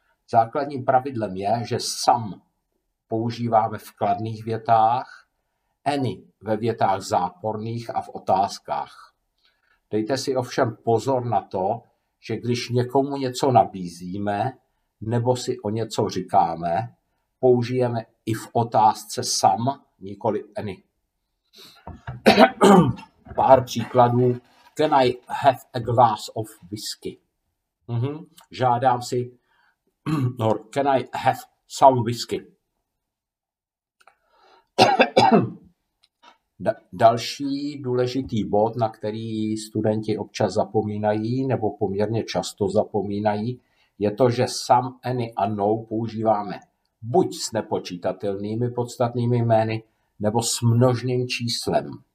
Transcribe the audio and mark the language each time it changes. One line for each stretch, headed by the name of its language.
Czech: Základním pravidlem je, že some používáme v kladných větách, any ve větách záporných a v otázkách. Dejte si ovšem pozor na to, že když někomu něco nabízíme nebo si o něco říkáme, použijeme i v otázce some, nikoli any. Pár příkladů.
English: Can I have a glass of whisky?
Czech: Žádám si,
English: or can I have some whisky?
Czech: Další důležitý bod, na který studenti občas zapomínají, nebo poměrně často zapomínají, je to, že some, any a no používáme buď s nepočítatelnými podstatnými jmény, nebo s množným číslem.